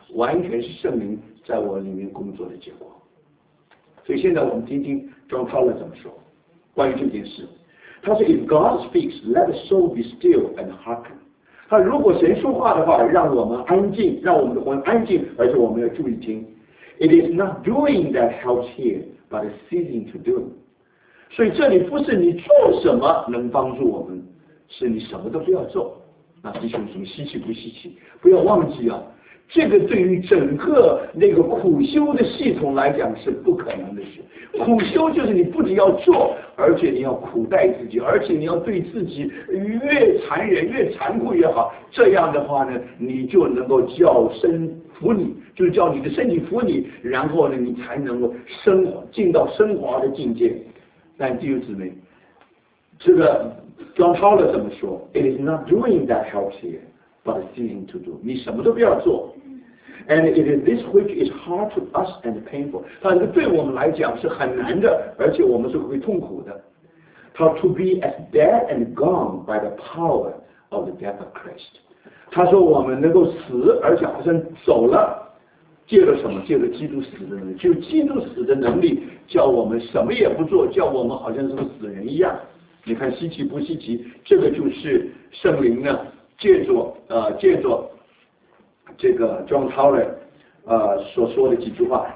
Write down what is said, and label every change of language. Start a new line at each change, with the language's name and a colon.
Chinese: 完全是圣灵在我里面工作的结果。所以现在我们听听 John Taylor 怎么说关于这件事。他说
English: If God speaks, let the soul be still and hearken。
Chinese: 他如果神说话的话，让我们安静，让我们的魂安静，而且我们要注意听。
English: It is not doing that helps here, but ceasing to do。
Chinese: 所以这里不是你做什么能帮助我们，是你什么都不要做。那弟兄们，稀奇不稀奇？不要忘记啊，这个对于整个那个苦修的系统来讲是不可能的事。苦修就是你不仅要做，而且你要苦待自己，而且你要对自己越残忍越残酷越好，这样的话呢，你就能够叫身服你，就是叫你的身体服你，然后呢你才能够升华，进到升华的境界。但弟兄姊妹，这个 John Paul 怎么说？
English: It is not doing that helps you, but seeing to do.
Chinese: 你什么都不要做。
English: And it is this which is hard to us and painful.
Chinese: 它对我们来讲是很难的，而且我们是会痛苦的。它
English: to be as dead and gone by the power of the death of Christ.
Chinese: 它说我们能够死，而且好像走了，借着什么？借着基督死的能力，就基督死的能力叫我们什么也不做，叫我们好像是个死人一样。你看稀奇不稀奇？这个就是圣灵呢，借着这个 John Taylor 所说的几句话。